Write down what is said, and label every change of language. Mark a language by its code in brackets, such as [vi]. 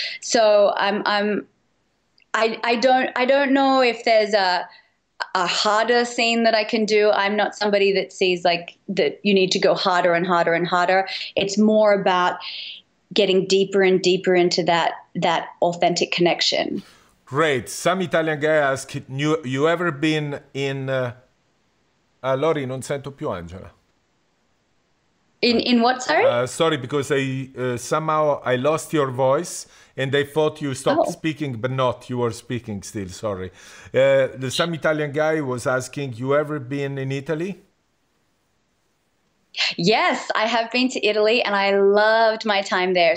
[en] So I don't know if there's a harder scene that I can do. I'm not somebody that sees like that you need to go harder and harder and harder. It's more about getting deeper and deeper into that authentic connection. Great. Some Italian guy asked, you ever been in [it] Lori, non sento più Angela. [en] In what, sorry? Sorry, because somehow I lost your voice and I thought you stopped Oh. speaking, but not, you were speaking still, sorry. Some Italian guy was asking, you ever been in Italy? Yes, I have been to Italy and I loved my time there.